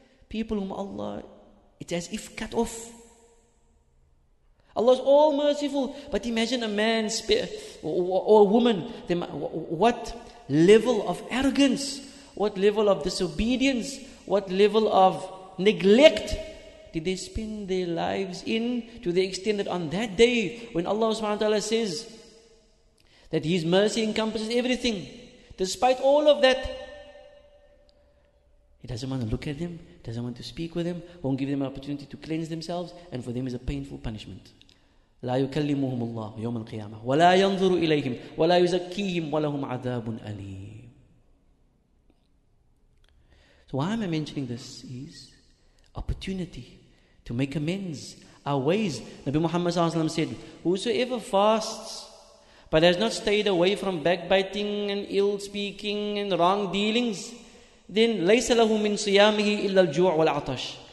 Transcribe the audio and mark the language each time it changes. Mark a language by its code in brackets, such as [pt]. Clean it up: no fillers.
[en] People whom Allah, it's as if cut off. Allah is all merciful, but imagine a man or a woman, what level of arrogance, what level of disobedience, what level of neglect did they spend their lives in, to the extent that on that day when Allah subhanahu wa ta'ala says that His mercy encompasses everything, despite all of that, He doesn't want to look at them, doesn't want to speak with them, won't give them an opportunity to cleanse themselves, and for them is a painful punishment. [ar] لا يكلمهم الله يوم القيامة ولا ينظر إليهم ولا يزكيهم ولهم عذاب أليم. [en] So why am I mentioning this? Is opportunity to make amends, our ways. Nabi Muhammad sallallahu alaihi wasallam said, whosoever fasts but has not stayed away from backbiting and ill speaking and wrong dealings, then [ar] ليس له من صيامه إلا الجوع والعطش.